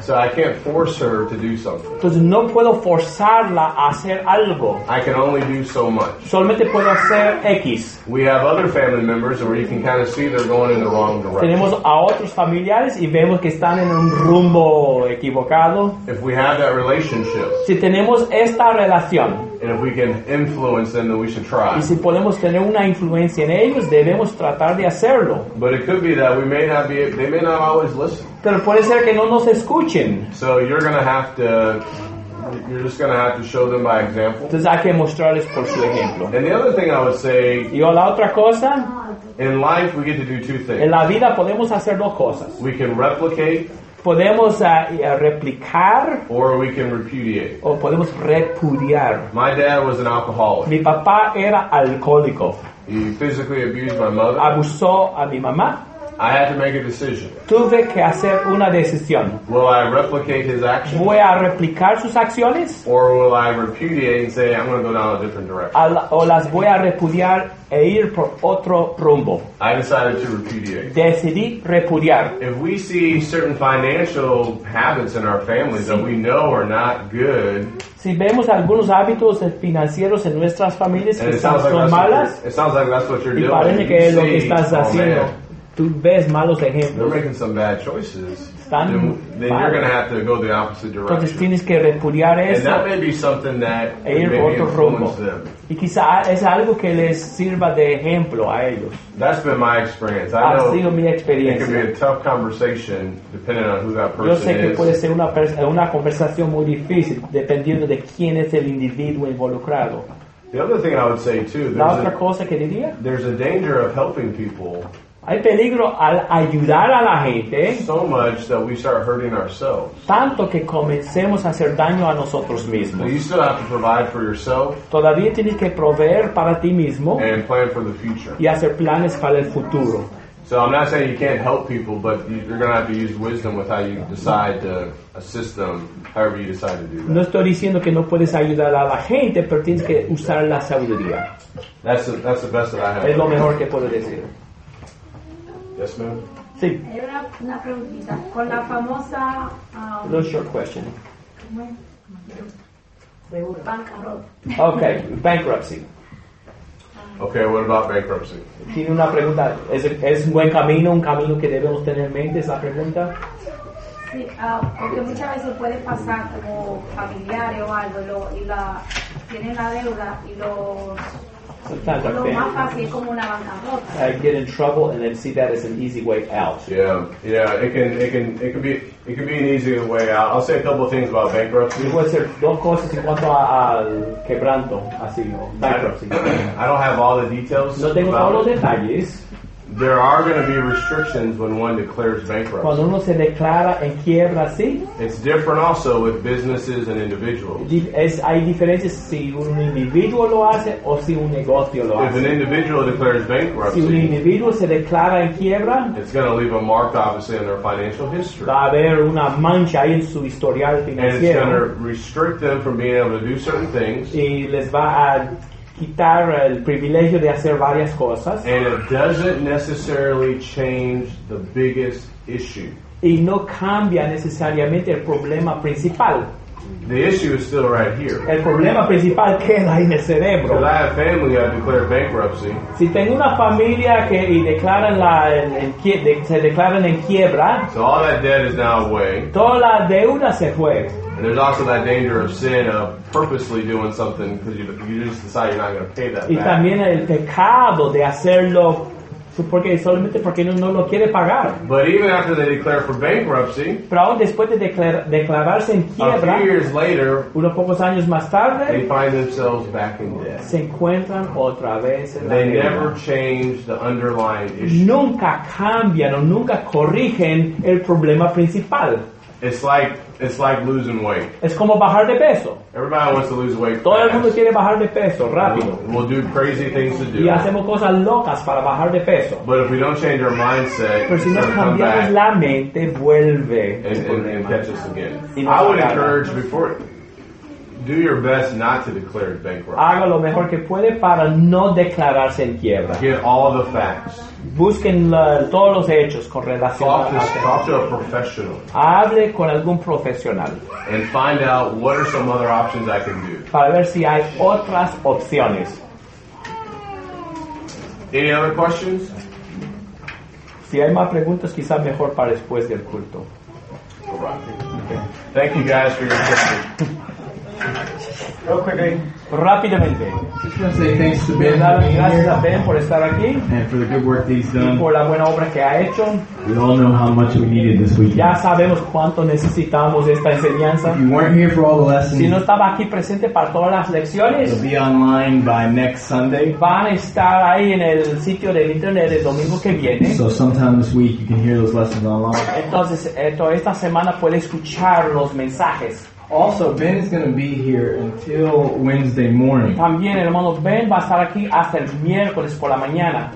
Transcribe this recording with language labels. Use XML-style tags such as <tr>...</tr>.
<en>So I can't force her to do something.</en> <es>Entonces no puedo forzarla a hacer algo.</es> <en>I can only do so much.</en> <es>Solamente puedo hacer X.</es> <en>We have other family members where you can kind of see they're going in the wrong direction.</en> <es>Tenemos a otros familiares y vemos que están en un rumbo equivocado.</es> <en>If we have that relationship.</en> <es>Si tenemos esta relación.</es> <en>And if we can influence them, then we should try.</en> <es>Y si podemos tener una influencia en ellos, debemos tratar de hacerlo.</es> <en>But it could be that we may not be, they may not always listen.</en> <es>Pero puede ser que no nos escuchen.</es> <en>So you're going to have to, you're just going to have to show them by example.</en> <es>Entonces hay que mostrarles por su ejemplo.</es> <en>And the other thing I would say,</en> <es>y la otra cosa,</es> <en>in life we get to do two things.</en> <es>En la vida podemos hacer dos cosas.</es> <en>We can replicate.</en> <es>Podemos replicar.</es> <en>Or we can repudiate.</en> <es>O podemos repudiar.</es> <en>My dad was an alcoholic.</en> <es>Mi papá era alcohólico.</es> <en>He physically abused my mother.</en> <es>Abusó a mi mamá.</es> <en>I had to make a decision.</en> <es>Tuve que hacer una decisión.</es> <en>Will I replicate his actions?</en> <es>¿Voy a replicar sus acciones?</es> <en>Or will I repudiate and say, I'm going to go down a different direction?</en> <es>O las voy a repudiar e ir por otro rumbo.</es> <en>I decided to repudiate.</en> <es>Decidí repudiar.</es> <en>If we see certain financial habits in our families that we know are not good,</en> <es>si vemos algunos hábitos financieros en nuestras familias que son malas,</es> <en>it sounds like that's what you're doing.</en> <es>Y parece que es lo que estás haciendo. Tú ves malos ejemplos.</es> <en>They're making some bad choices.</en> <es>Están</es> <en>then you're going to have to go the opposite direction.</en> <es>Entonces tienes que repudiar eso.</es> <en>And that may be something that may influence</en> <es>rumbo.</es> <en>Them.</en> <es>Y quizá es algo que les sirva de ejemplo a ellos.</es> <en>That's been my experience.</en> <es>Ha sido mi experiencia.</es> <en>It can be a tough conversation depending on who that person is.</en> <es>Yo sé que</es> <en>is.</en> <es>Puede ser una conversación muy difícil dependiendo de quién es el individuo involucrado.</es> <en>The other thing I would say too.</en> <es>La otra cosa que diría.</es> <en>There's a danger of helping people.</en> <es>Hay peligro al ayudar a la gente.</es> <en>So much that we start hurting ourselves.</en> <es>Tanto que comencemos a hacer daño a nosotros mismos.</es> <en>So you still have to provide for yourself.</en> <es>Todavía tienes que proveer para ti mismo.</es> <en>And plan for the future.</en> <es>Y hacer planes para el futuro.</es> <en>So I'm not saying you can't help people, but you're going to have to use wisdom with how you decide to assist them, however you decide to do that.</en> <es>No estoy diciendo que no puedes ayudar a la gente, pero tienes que usar la sabiduría.</es> <en>That's the best that I have.</en> <es>Es lo mejor que puedo decir.</es> <en>Yes, ma'am.</en> <es>Sí. Hay una preguntita. Con la famosa...</es> <en>A little short question. Bankrupt. Okay, bankruptcy. Okay, what about bankruptcy?</en> <es>Tiene una pregunta. ¿Es un buen camino, un camino que debemos tener en mente, esa pregunta? Sí, porque muchas veces puede pasar como familiares o algo, y tienen la deuda y los...</es> <en>sometimes our family members, get in trouble, and then see that as an easy way out. It can be an easy way out. I'll say a couple of things about bankruptcy.</en> <es>Puede ser dos cosas en cuanto al quebranto, así, bankruptcy.</es> <en>I don't have all the details.</en> <es>No tengo todos los detalles.</es> <en>There are going to be restrictions when one declares bankruptcy.</en> <es>Cuando uno se declara en quiebra, ¿sí?</es> <en>It's different also with businesses and individuals.</en> <es>Hay diferencias si un individuo lo hace o si un negocio lo hace.</es> <en>If an individual declares bankruptcy,</en> <es>si un individuo se declara en quiebra,</es> <en>it's going to leave a mark, obviously, in their financial history.</en> <es>Va a haber una mancha ahí en su historial financiero.</es> <en>And it's going to restrict them from being able to do certain things.</en> <es>Y les va a quitar el privilegio de hacer varias cosas.</es> <en>And it doesn't necessarily change the biggest issue.</en> <es>Y no cambia necesariamente el problema principal.</es> <en>The issue is still right here.</en> <es>El problema principal queda ahí en el cerebro.</es> <en>If I have family, I declare bankruptcy.</en> <es>Si tengo una familia que y declaran la se declaran en quiebra.</es> <en>So all that debt is now away.</en> <es>Toda la deuda se fue.</es> <en>And there's also that danger of sin of purposely doing something because you just decide you're not going to pay that</en> <es>y</es> <en>back.</en> <es>Y también el pecado de hacerlo porque solamente porque uno no lo quiere pagar.</es> <en>But even after they declare for bankruptcy,</en> <es>pero aún después de declararse en quiebra,</es> <en>a few years later,</en> <es>unos pocos años más tarde,</es> <en>they find themselves back in debt.</en> <es>Se encuentran otra vez en</es> <en>they</en> <es>la</es> <en>never</en> <es>deuda.</es> <en>Change the underlying issue.</en> <es>Nunca cambian o nunca corrigen el problema principal.</es> <en>It's like losing weight.</en> <es>Es como bajar de peso.</es> <en>Everybody wants to lose weight.</en> <es>Todo el mundo quiere bajar de peso rápido.</es> <en>We'll do crazy things to do.</en> <es>Y hacemos cosas locas para bajar de peso.</es> <en>But if we don't change our mindset,</en> <es>pero si no cambiamos la mente, vuelve</es> <en>and catch us again. I would encourage before, do your best not to declare bankrupt.</en> <es>Haga lo mejor que puede para no declararse en quiebra.</es> <en>Get all the facts.</en> <es>Busquen todos los hechos con relación</es> <en>talk to a professional.</en> <es>Hable con algún profesional.</es> <en>And find out what are some other options I can do.</en> <es>Para ver si hay otras opciones.</es> <en>Any other questions?</en> <es>Si hay más preguntas, quizás mejor para después del culto.</es> <en>All right. Okay. Thank you guys for your attention. Real quickly.</en> <es>Rápidamente.</es> <en>Just want to say thanks to Ben for being</en> <es>gracias</es> <en>here.</en> <es>A Ben por estar aquí.</es> <en>And for the good work that he's done.</en> <es>Y por la buena obra que ha hecho.</es> <en>We all know how much we needed this weekend.</en> <es>Ya sabemos cuánto necesitamos esta enseñanza.</es> <en>If you weren't here for all the lessons,</en> <es>si no estaba aquí presente para todas las lecciones,</es> <en>they'll be online by next Sunday.</en> <es>Van a estar ahí en el sitio del internet el domingo que viene.</es> <en>So sometime this week you can hear those lessons online.</en> <es>Entonces, toda esta semana puede escuchar los mensajes.</es> <en>Also, Ben is going to be here until Wednesday morning.</en> <es>También el hermano Ben va a estar aquí hasta el miércoles por la mañana.</es>